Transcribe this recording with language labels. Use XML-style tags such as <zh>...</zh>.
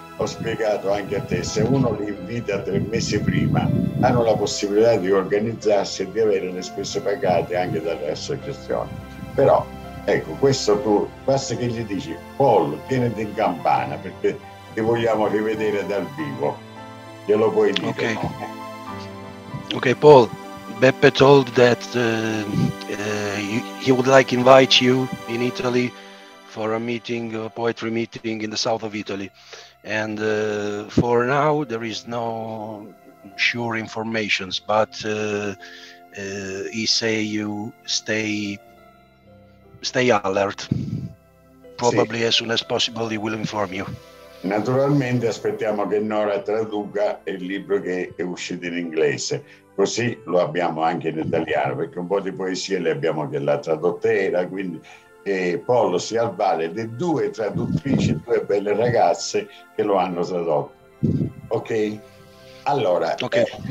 <it>ho spiegato anche a te, se uno li invita 3 mesi prima, hanno la possibilità di organizzarsi e di avere le spese pagate anche dalle associazioni. Però, ecco, questo tu, basta che gli dici, Paul, vieniti in campana, perché ti vogliamo rivedere dal vivo. Glielo puoi dire. Ok, no?</it> <en>Okay, Paul, Beppe told that he would like invite you in Italy for a meeting, a poetry meeting in the south of Italy. And for now, there is no sure information, but he say you stay alert. Probably sì. As soon as possible, he will inform you.</en> <it>Naturalmente aspettiamo che Nora traduca il libro che è uscito in inglese. Così lo abbiamo anche in italiano, perché un po' di poesie le abbiamo che la tradottera, quindi... E Paolo si avvale di 2 traduttrici, 2 belle ragazze che lo hanno tradotto. Ok? Allora, okay.</it>